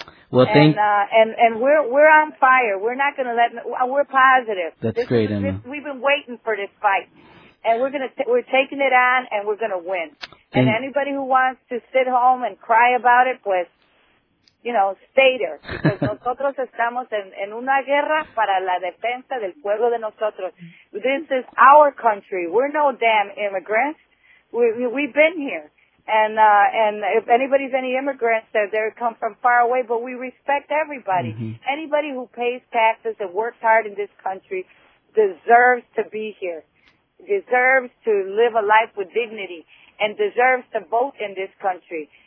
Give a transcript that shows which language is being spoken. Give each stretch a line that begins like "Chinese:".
English: Well, thank you. And we're on fire. We're not going to let, we're positive. That's great, Emma. We've been waiting for this fight, and we're taking it on, and we're going to win. And anybody who wants to sit home and cry about it, pues, you know, stay there.
Spanish: Because nosotros estamos en una guerra para la defensa del pueblo de nosotros.
English: This is our country. We're no damn immigrants. We've been here. And if anybody's any immigrants, they come from far away, but we respect everybody. Mm-hmm. Anybody who pays taxes and works hard in this country deserves to be here, deserves to live a life with dignity, and deserves to vote in this country.